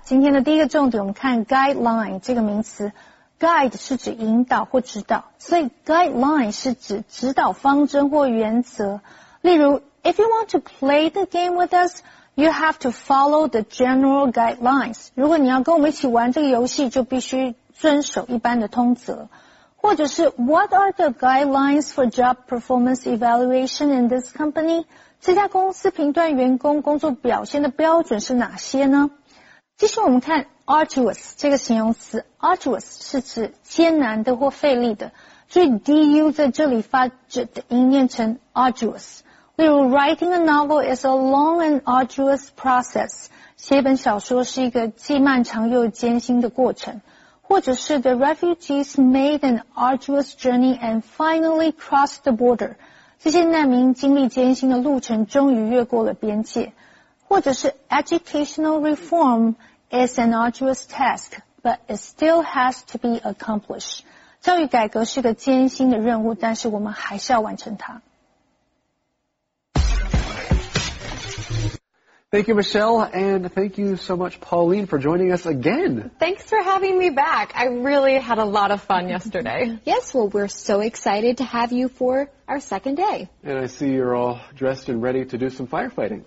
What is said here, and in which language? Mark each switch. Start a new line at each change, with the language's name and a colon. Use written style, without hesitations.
Chinese: 今天的第一个重点我们看 guideline 这个名词。Guide 是指引导或指导。所以 guideline 是指指导方针或原则。例如
English: ,if you want to play the game with us, you have to follow the general guidelines.
Chinese: 如果你要跟我们一起玩这个游戏就必须遵守一般的通则。或者是
English: ,what are the guidelines for job performance evaluation in this company?
Chinese: 这家公司评断员工工作表现的标准是哪些呢？继续我们看 arduous 这个形容词 ,arduous 是指艰难的或费力的。所以 DU 在这里发 J 的音念成 arduous。例如
English: ,writing a novel is a long and arduous process.
Chinese: 写本小说是一个既漫长又艰辛的过程。或者是
English: ,the refugees made an arduous journey and finally crossed the border.
Chinese: 这些难民经历艰辛的路程终于越过了边界。或者是
English: educational reform is an arduous task, but it still has to be accomplished.
Chinese: 教育改革是个艰辛的任务，但是我们还是要完成它。
English: Thank you, Michelle, and thank you so much, Pauline, for joining us again. Thanks for having me back. I really had a lot of fun yesterday. Yes, well, we're so excited to have you for our second day. And I see you're all dressed and ready to do some firefighting.